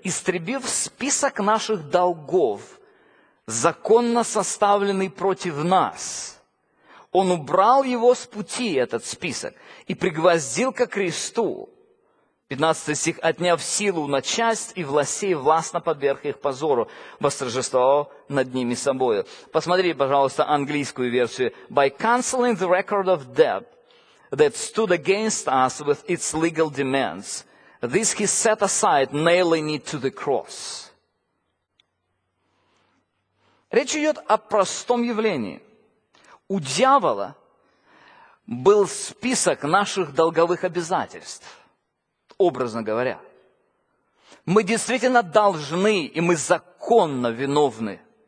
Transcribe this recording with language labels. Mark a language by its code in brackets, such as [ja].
[ru] «Истребив список наших долгов, законно составленный против нас, он убрал его с пути, этот список, и пригвоздил ко кресту». 15 стих. «Отняв силу на часть и властей, властно подверг их позору, восторжествовал над ними собою». Посмотрите, пожалуйста, английскую версию. [en] «By canceling the record of debt that stood against us with its legal demands, this he set aside, nailing it to the cross». [ru] Речь идет о простом явлении. У дьявола был список наших долговых обязательств. Образно говоря, мы действительно должны, и мы законно виновны.